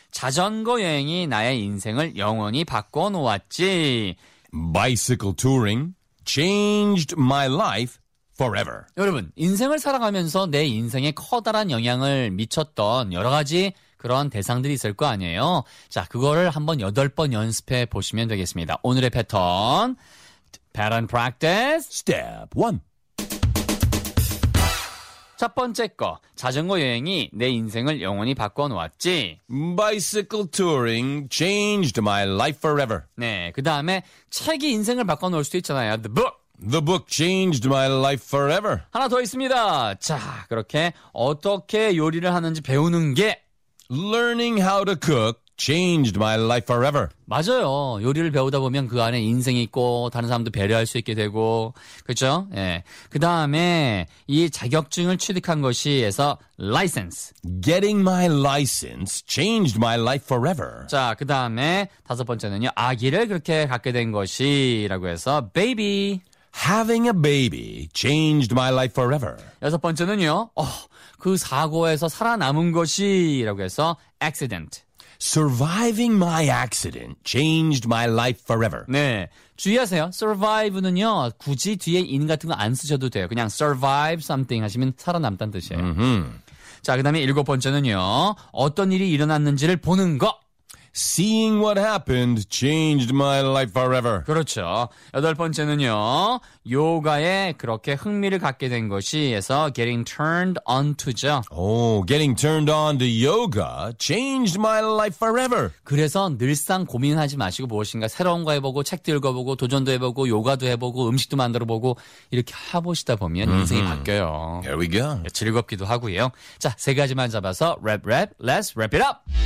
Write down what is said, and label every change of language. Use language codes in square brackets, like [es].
[ko] 자전거 여행이 나의 인생을 영원히 바꿔놓았지. [en] Bicycle touring changed my life forever. [ko] 여러분, 인생을 살아가면서 내 인생에 커다란 영향을 미쳤던 여러 가지 그런 대상들이 있을 거 아니에요. 자, 그거를 한번 8번 연습해 보시면 되겠습니다. 오늘의 패턴. [en] Pattern practice. Step 1. [ko] 첫 번째 거, 자전거 여행이 내 인생을 영원히 바꿔놓았지. [en] Bicycle touring changed my life forever. [ko] 네, 그 다음에 책이 인생을 바꿔놓을 수도 있잖아요. [en] The book. The book changed my life forever. [ko] 하나 더 있습니다. 자, 그렇게 어떻게 요리를 하는지 배우는 게. [en] Learning how to cook changed my life forever. [ko] 맞아요. 요리를 배우다 보면 그 안에 인생이 있고 다른 사람도 배려할 수 있게 되고 그렇죠? 예. 그다음에 이 자격증을 취득한 것이에서 license. [en] Getting my license changed my life forever. [ko] 자, 그다음에 다섯 번째는요. 아기를 그렇게 갖게 된 것이라고 해서 baby. [en] Having a baby changed my life forever. [ko] 여섯 번째는요. 그 사고에서 살아남은 것이라고 해서 accident. [en] Surviving my accident changed my life forever. [ko] 네, 주의하세요. Survive는요, 굳이 뒤에 in 같은 거 안 쓰셔도 돼요. 그냥 [en] survive something [ko] 하시면 살아남다는 뜻이에요. Mm-hmm. 자, 그 다음에 일곱 번째는요, 어떤 일이 일어났는지를 보는 거. [en] Seeing what happened changed my life forever. [ko] 그렇죠. 여덟 번째는요, 요가에 그렇게 흥미를 갖게 된 것이에서 [en] getting turned on to [ko] 죠. [en] Oh, getting turned on to yoga changed my life forever. [ko] 그래서 늘상 고민하지 마시고 무엇인가 새로운 거 해보고 책도 읽어보고 도전도 해보고 요가도 해보고 음식도 만들어보고 이렇게 해보시다 보면 인생이 mm-hmm. 바뀌어요. [en] Here we go. [ko] 즐겁기도 하고요. 자, 세 가지만 잡아서 랩, [en] let's wrap it up.